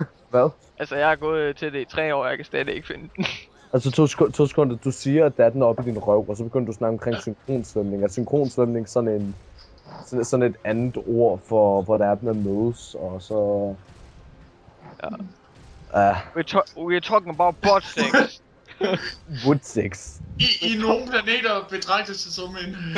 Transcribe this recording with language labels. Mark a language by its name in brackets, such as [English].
[Danish] Hvad? Altså, jeg har gået til det i 3 år, og jeg kan stadig ikke finde den. Altså, to sekunder, du siger, at der er den oppe i din røv, og så begynder du at snakke omkring synkronsvømning. Er synkronsvømning sådan et andet ord for, hvor der er den at mødes, og så... Ja. [English] We're talking about butt sex. Wood sex. [Danish] I nogle planeter betragtes det som en...